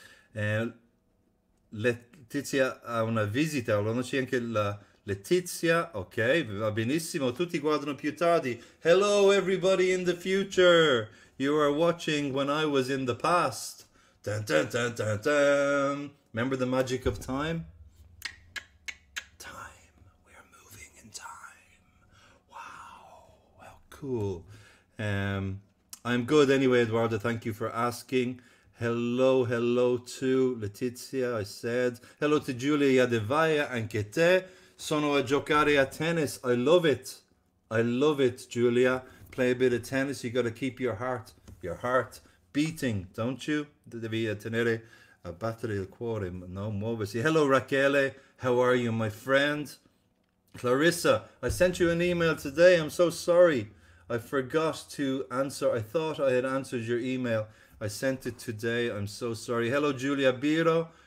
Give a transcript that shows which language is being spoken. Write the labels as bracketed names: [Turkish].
[Italian] Letizia ha una visita. Allora c'è anche la Letizia, ok, va benissimo, tutti guardano più tardi. [English] Hello everybody in the future, you are watching when I was in the past. Dun, dun, dun, dun, dun. Remember the magic of time? Time, we are moving in time. Wow, how cool. I'm good anyway, Eduardo, thank you for asking. Hello, hello to Letizia, I said. Hello to Giulia Yadevaya, [Italian] anche te. Sono a giocare a tennis. [English] I love it. I love it, Giulia. Play a bit of tennis. You got to keep your heart beating, don't you? [Italian] Devi tenere a battere il cuore, no muoversi. [English] Hello, Rachele. How are you, my friend? Clarissa, I sent you an email today. I'm so sorry. I forgot to answer. I thought I had answered your email. I sent it today. I'm so sorry. Hello, Giulia Biro.